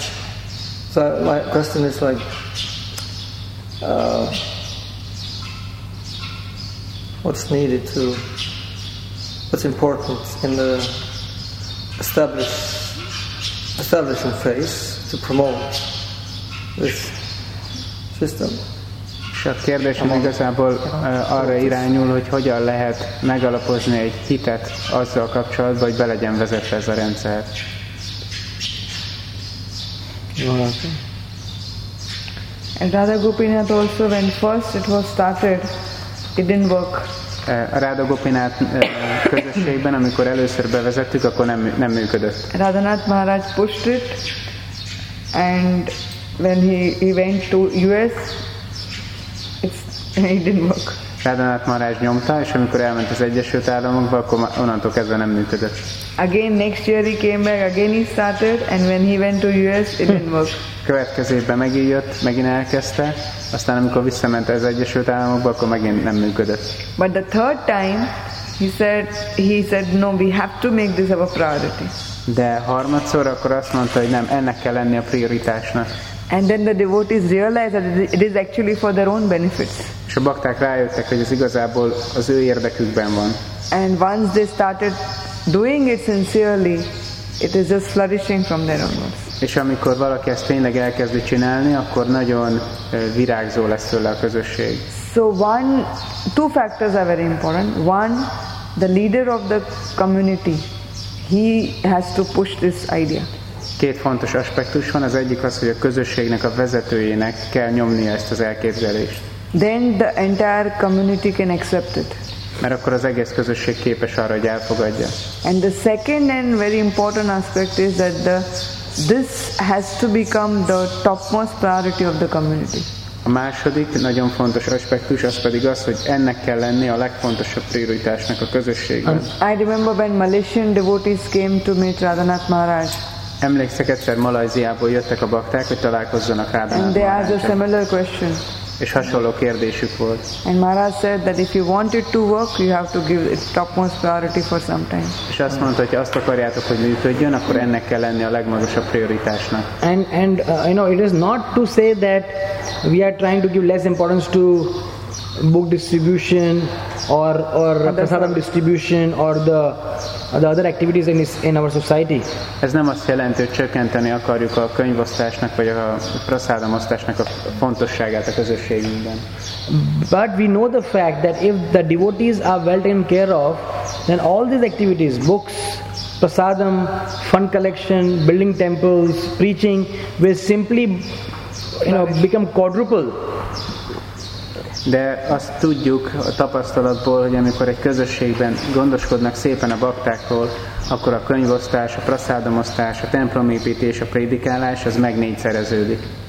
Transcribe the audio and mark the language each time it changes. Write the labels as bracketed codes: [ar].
[en] So my question is like, what's needed to, what's important in the establishing phase to promote this system? [hu] És a kérdésem igazából arra irányul, hogy hogyan lehet megalapozni egy hitet azzal kapcsolatban, hogy be legyen vezetve ez a rendszer. [en] And Radha Gopinath also, when first it was started, it didn't work. [hu] Radha Gopinath közösségben, amikor először bevezettük, akkor nem működött. [en] Radhanath Maharaj pushed it, and when he went to US, it didn't work. [hu] Radhanath Maharaj nyomta, és amikor elment az Egyesült Államokba, akkor onnantól kezdve nem működött. [en] Again, next year he came back, again he started, and when he went to US, it didn't work. [hu] Következő évben megint jött, megint elkezdte, aztán amikor visszament az Egyesült Államokba, akkor megint nem működött. [en] But the third time, he said, no, we have to make this our priority. [hu] De harmadszor akkor azt mondta, hogy nem, ennek kell lenni a prioritásnak. [en] And then the devotees realized that it is actually for their own benefits. [hu] És a bakták rájöttek, hogy ez igazából az ő érdekükben van. [en] And once they started doing it sincerely, it is just flourishing from their own lives. [hu] És amikor valaki ezt tényleg elkezdi csinálni, akkor nagyon virágzó lesz tőle a közösség. [en] So two factors are very important. One, the leader of the community, he has to push this idea. [hu] Két fontos aspektus van, az egyik az, hogy a közösségnek a vezetőjének kell nyomnia ezt az elképzelést. [en] Then the entire community can accept it. [hu] Mert akkor az egész közösség képes arra, hogy elfogadja. [en] And the second and very important aspect is that the this has to become the topmost priority of the community. [hu] A második nagyon fontos aspektus az pedig az, hogy ennek kell lenni a legfontosabb prioritásnak a közösségben. [en] I remember when Malaysian devotees came to meet Radhanath Maharaj. [hu] Emlékszek, egyszer Malajziából jöttek a bakták, hogy találkozzanak Radhanath [en] Maharajjal. And they asked a similar question. [hu] És hasonló kérdésük volt. [en] And Maharaj said that if you want it to work, you have to give it topmost priority for some time. [hu] És azt mondta, hogy ha azt akarjátok, hogy működjön, akkor ennek kell lenni a legmagasabb prioritásnak. [en] And it is not to say that we are trying to give less importance to book distribution or prasadam distribution or the other activities in our society. [hu] Ez nem azt jelenti, hogy csökkenteni akarjuk a könyvosztásnak vagy a prasadam osztásnak a fontosságát a közösségünkben. [en] But we know the fact that if the devotees are well taken care of, then all these activities, books, prasadam, fund collection, building temples, preaching, will simply become quadruple. [hu] De azt tudjuk a tapasztalatból, hogy amikor egy közösségben gondoskodnak szépen a baktákról, akkor a könyvosztás, a prasádomosztás, a templomépítés, a prédikálás az megnégyszereződik.